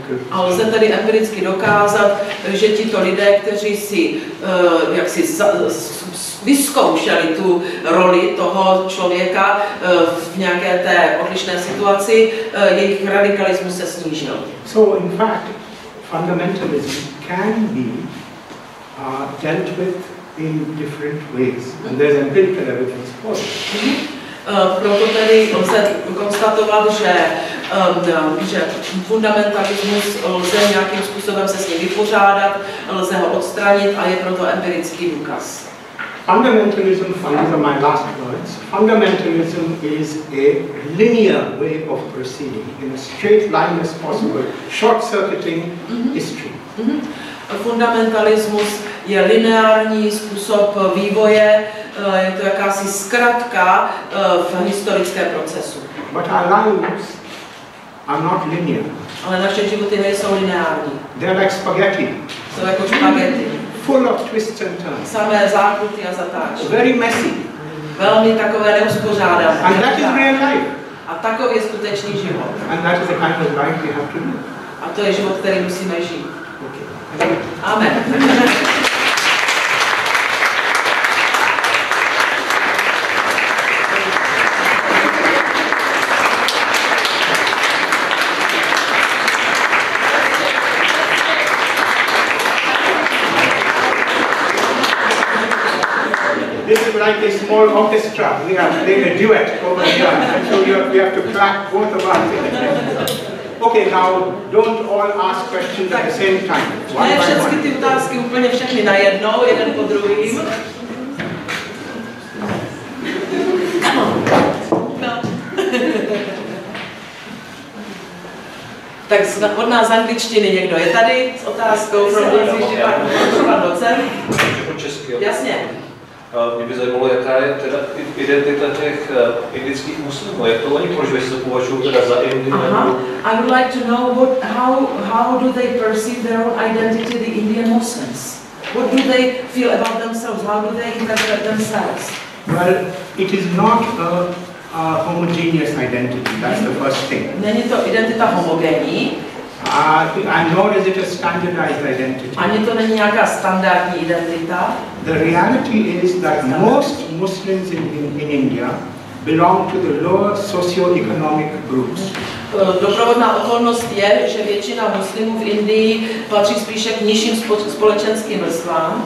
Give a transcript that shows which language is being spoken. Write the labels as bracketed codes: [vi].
[cs] A lze tady empiricky dokázat, že tito lidé, kteří si jaksi vyzkoušeli tu roli toho člověka v nějaké té odlišné situaci, jejich radikalismus se snížil. [en] So in fact, fundamentalism can be dealt with in different ways, and there's empirical evidence for it. [cs] Proto tedy lze konstatovat, že fundamentalismus lze nějakým způsobem se s ním vypořádat, lze ho odstranit a je proto empirický důkaz. [en] Fundamentalism, these are my last words. Fundamentalism is a linear way of proceeding in a straight line as possible, short-circuiting history. [cs] Fundamentalismus je lineární způsob vývoje, je to jakási zkratka v historickém procesu. [en] But our lives are not linear. [cs] Ale naše životy nejsou lineární. [en] They are like spaghetti. [cs] Jsou jako spaghetti. [en] Full of twists and turns. [cs] Samé zákruty a zatáčky. [en] Very messy. [cs] Velmi takové neuspořádané. [en] And that is real life. [cs] A takový je skutečný život. [en] And that is the kind of life we have to live. [cs] A to je život, který musíme žít. [en] Okay. Amen. Like a small orchestra, we have to play a duet over here, so we have to crack both of us. Okay, now don't all ask questions at the same time, one by one. [cs] Ne všechny ty otázky úplně všechny najednou, jeden po druhým. Tak od nás z angličtiny někdo je tady s otázkou, protože ještě pan docent. Jasně. Mě by zajímalo, jaká je teda identita těch indických muslimů. Jak to oni prožívají, se považují teda za Indy? [en] I would like to know what, how do they perceive their own identity, the Indian Muslims? What do they feel about themselves? How do they interpret themselves? Well, it is not a homogeneous identity. That's the first thing. [cs] Není to identita homogenní. [en] And nor is it a standardized identity. [cs] Ani to není nějaká standardní identita. [en] The reality is that most Muslims in India belong to the lower socio-economic groups. [cs] Doprovodná okolnost je, že většina muslimů v Indii patří spíše k nižším společenským vrstvám.